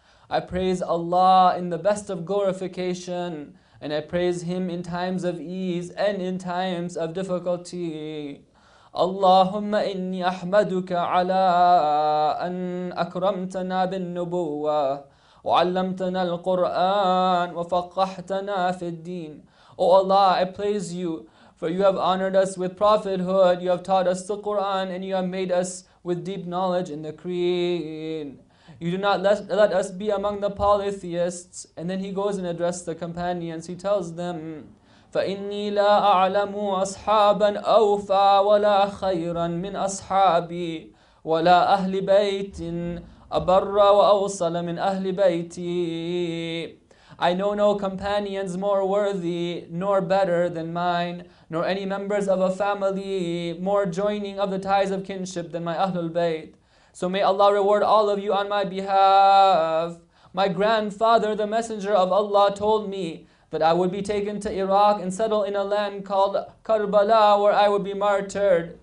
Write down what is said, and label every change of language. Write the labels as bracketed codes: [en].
[en] I praise Allah in the best of glorification, and I praise Him in times of ease and in times of difficulty. [ar] اللهم إني أحمدك على أن أكرمتنا بالنبوة وعلمتنا القرآن وفقهتنا في الدين. [en] O Allah, I praise You, for You have honored us with prophethood, You have taught us the Qur'an, and You have made us with deep knowledge in the creed. You do not let us be among the polytheists. And then he goes and addresses the companions. He tells them, [ar] فَإِنِّي لَا أَعْلَمُ أَصْحَابًا أَوْفَى وَلَا خَيْرًا مِنْ أَصْحَابِي وَلَا أَهْلِ بَيْتٍ أَبَرَّ وَأَوْصَلَ مِنْ أَهْلِ بَيْتِي. [en] I know no companions more worthy nor better than mine, nor any members of a family more joining of the ties of kinship than my Ahlul Bayt. So may Allah reward all of you on my behalf. My grandfather, the Messenger of Allah, told me that I would be taken to Iraq and settle in a land called Karbala, where I would be martyred.